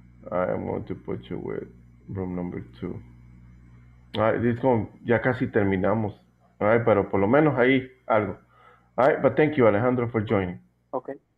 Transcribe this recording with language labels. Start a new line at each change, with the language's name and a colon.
English: I am going to put you with room number two.
Spanish: All right, ya casi terminamos. All right, pero por lo menos ahí algo.
English: All right, but thank you, Alejandro, for joining. Okay.